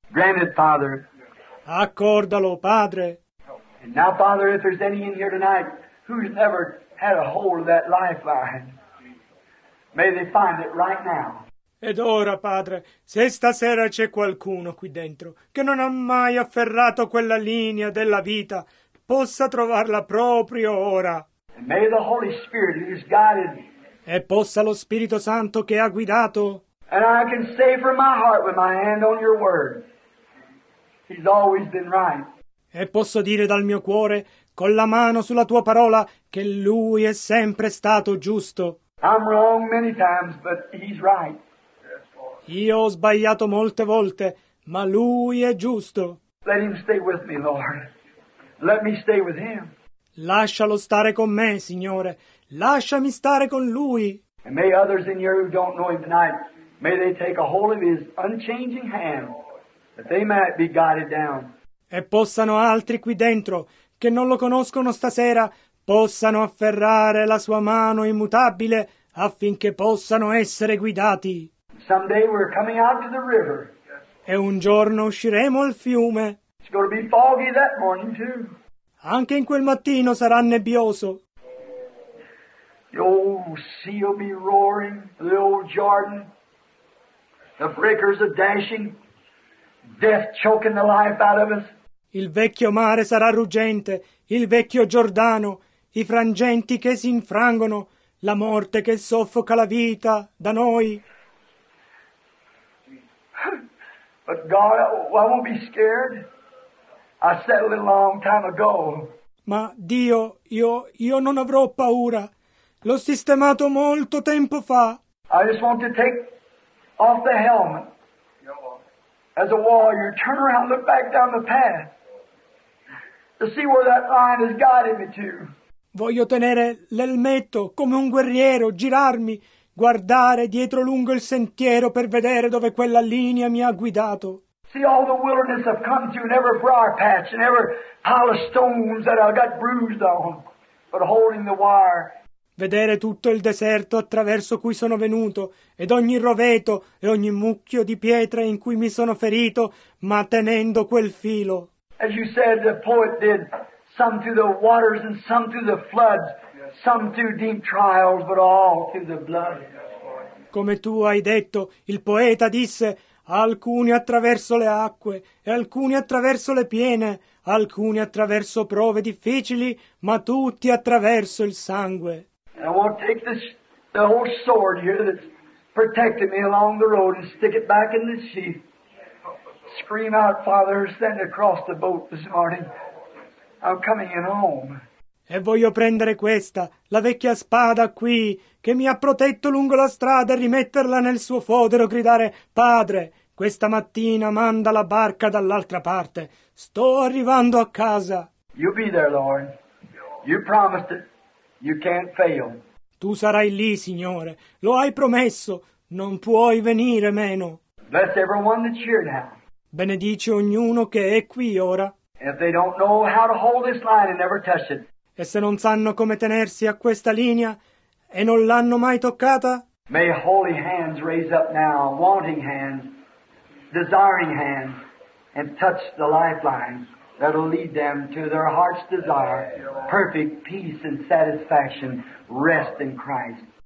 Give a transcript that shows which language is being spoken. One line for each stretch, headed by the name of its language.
English: Granted, Father.
Italian: Accordalo, Padre.
English: And now, Father, if there's any in here tonight who's never had a hold of that lifeline, may they find it right now.
Italian: Ed ora, Padre, se stasera c'è qualcuno qui dentro che non ha mai afferrato quella linea della vita, possa trovarla proprio ora.
English: And may the Holy Spirit who's guided me.
Italian: E possa lo Spirito Santo che ha guidato.
English: And I can say from my heart with my hand on your word, he's always been right.
Italian: E posso dire dal mio cuore, con la mano sulla tua parola, che lui è sempre stato giusto.
English: I'm wrong many times, but he's right.
Italian: Io ho sbagliato molte volte, ma lui è giusto.
English: Let him stay with me, Lord. Let me stay with him.
Italian: Lascialo stare con me, Signore. Lasciami stare con lui.
English: And may others in here who don't know him tonight, may they take a hold of his unchanging hand, that they might be guided down.
Italian: E possano altri qui dentro, che non lo conoscono stasera, possano afferrare la sua mano immutabile, affinché possano essere guidati.
English: Someday we're coming out to the river.
Italian: E un giorno usciremo al fiume.
English: It's going to be foggy that morning too.
Italian: Anche in quel mattino sarà nebbioso.
English: The old sea will be roaring, the old Jordan. The breakers are dashing, death choking the life out of us.
Italian: Il vecchio mare sarà ruggente, il vecchio Giordano, i frangenti che si infrangono, la morte che soffoca la vita da noi.
English: But God, I won't be scared. I settled it a long time ago.
Italian: Ma Dio, io non avrò paura. L'ho sistemato molto tempo fa.
English: I just want to take off the helmet. As a warrior, turn around, look back down the path. To see where that line has guided me to.
Italian: Voglio tenere l'elmetto come un guerriero, girarmi. Guardare dietro lungo il sentiero per vedere dove quella linea mi ha guidato.
English: See all the wilderness I've come through, and every briar patch, and every pile of stones that I got bruised on, but holding the wire.
Italian: Vedere tutto il deserto attraverso cui sono venuto, ed ogni roveto e ogni mucchio di pietra in cui mi sono ferito, ma tenendo quel filo.
English: As you said, the poet did, some through the waters and some through the floods. Some through deep trials, but all through the blood.
Italian: Come tu hai detto, il poeta disse, alcuni attraverso le acque, e alcuni attraverso le piene, alcuni attraverso prove difficili, ma tutti attraverso il sangue.
English: And I want to take this, the old sword here that's protected me along the road and stick it back in the sheath. Scream out, Father, send across the boat this morning. I'm coming in home.
Italian: E voglio prendere questa, la vecchia spada qui, che mi ha protetto lungo la strada e rimetterla nel suo fodero, gridare, Padre, questa mattina manda la barca dall'altra parte. Sto arrivando a casa.
English: You be there, Lord. You promised it. You can't fail.
Italian: Tu sarai lì, Signore. Lo hai promesso. Non puoi venire meno.
English: Bless everyone that's here now.
Italian: Benedici ognuno che è qui ora.
English: If they don't know how to hold this line and never touch it.
Italian: E se non sanno come tenersi a questa linea e non l'hanno mai toccata,
English: may holy hands raise up now, wanting hands, desiring hands, and touch the lifeline that'll lead them to their heart's desire, perfect peace and satisfaction, rest in Christ.